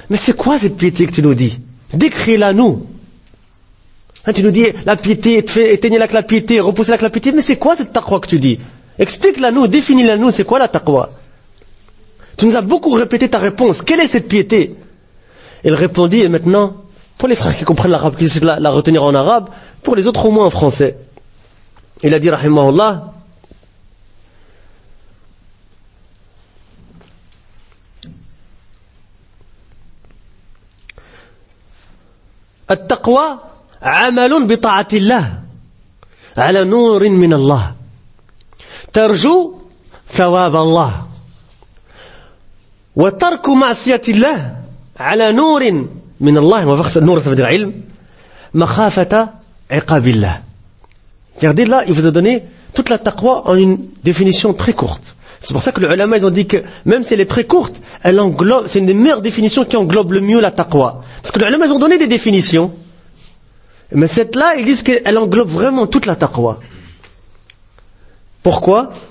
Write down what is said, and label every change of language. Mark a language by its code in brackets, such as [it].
[fr] Mais c'est quoi cette piété que tu nous dis? Décris-la nous. Hein, tu nous dis la piété, éteignez-la avec la piété, repoussez-la avec la piété. Mais c'est quoi cette taqwa que tu dis? Explique-la nous, définis-la nous, c'est quoi la taqwa? Tu nous as beaucoup répété ta réponse. Quelle est cette piété? Il répondit, et maintenant, pour les frères qui comprennent l'arabe, qui essaient de la retenir en arabe, pour les autres au moins en français. Il a dit, rahimahullah, [ar] التقوى عمل بطاعة الله على نور من الله ترجو ثواب الله وترك معصية الله على نور من الله وفق نور سبب العلم مخافة عقاب الله. [fr] Regardez là, il vous a donné toute la taqwa en une définition très courte. C'est pour ça que les ulama, ils ont dit que même si elle est très courte, elle englobe, c'est une des meilleures définitions qui englobe le mieux la taqwa. Parce que les ulama, ils ont donné des définitions. Mais celle-là, ils disent qu'elle englobe vraiment toute la taqwa. Pourquoi?